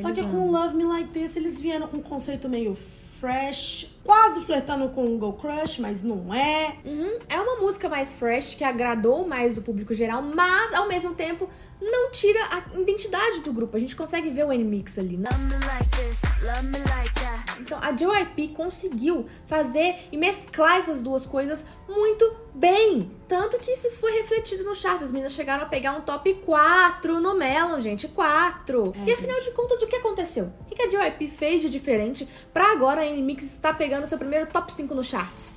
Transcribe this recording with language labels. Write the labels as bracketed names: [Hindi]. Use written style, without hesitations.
[Portuguese] só que com Love Me Like This, eles vieram com um conceito meio fresh, quase flertando com o Girl Crush, mas não é. É uma música mais fresh, que agradou mais o público geral, mas, ao mesmo tempo, não tira a identidade do grupo. A gente consegue ver o NMIX ali, né? [English] Love me like this, love me like that. [Portuguese] Então, a JYP conseguiu fazer e mesclar essas duas coisas muito bem. Tanto que isso foi refletido no chart. As meninas chegaram a pegar um top 4 no Melon, gente. 4! É, e, afinal, gente, de contas, o que aconteceu? O que a JYP fez de diferente pra agora a NMIX estar pegando seu primeiro top 5 no charts?